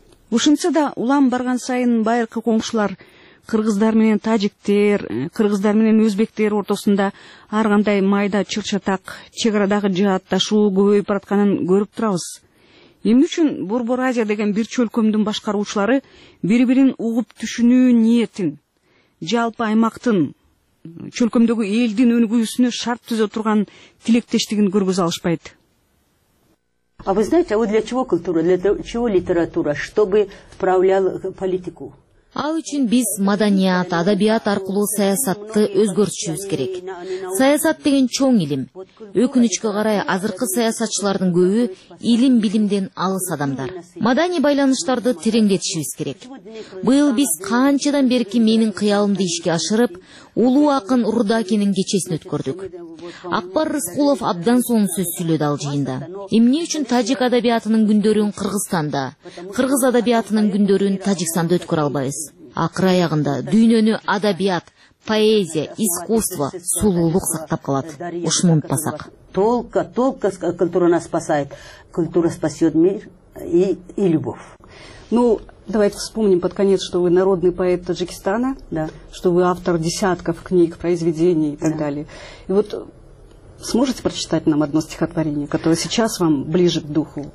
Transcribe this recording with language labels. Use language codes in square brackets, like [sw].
[ky] Ушинтсе да улам барган сайын байыркы коңшулар кыргыздар менен тажиктер, кыргыздар менен өзбектер ортосунда ар кандай майда чыр-чатак, чек арадагы жаатташуу көбөйүп баратканын көрүп турабыз. Эмне үчүн Борбор Азия деген бир чөлкөмдүн башкаруучулары бири бирин угуп түшүнүү ниетин, жалпы аймактын, чөлкөмдөгү элдин өнүгүүсүнө шарт түзө турган тилектештигин көргөзө алышпайт? [ru] А вы знаете, а вот для чего культура, для чего литература, чтобы управлял политику? [ky] Ал үчүн биз маданият, адабият аркылуу саясатты өзгөртүшүбүз керек. Саясат деген чоң илим. Өкүнүчкө карай, азыркы саясатчылардын көбү илим билимден алыс адамдар. Маданий байланыштарды тереңдетишибиз керек. Быйыл биз канчадан берки менин кыялымды ишке ашырып, улуу акын Рудакинин кечесин өткөрдүк. Акбар Рыскулов абдан сонун сөз сүйлөдү ал жыйында. Эмне үчүн тажик адабиятынын күндөрүн Кыргызстанда, кыргыз адабиятынын күндөрүн Тажикстанда өткөрө албайбыз? Акыр аягында дүйнөнү адабият, поэзия, искусство, сулуулук сактап калат. Ушуну унутпасак. [ru] Толка культура нас спасает. Культура спасет мир и любовь. Ну, давайте вспомним под конец, что вы народный поэт Таджикистана, да. Что вы автор десятков книг, произведений и так далее. И вот сможете прочитать нам одно стихотворение, которое сейчас вам ближе к духу?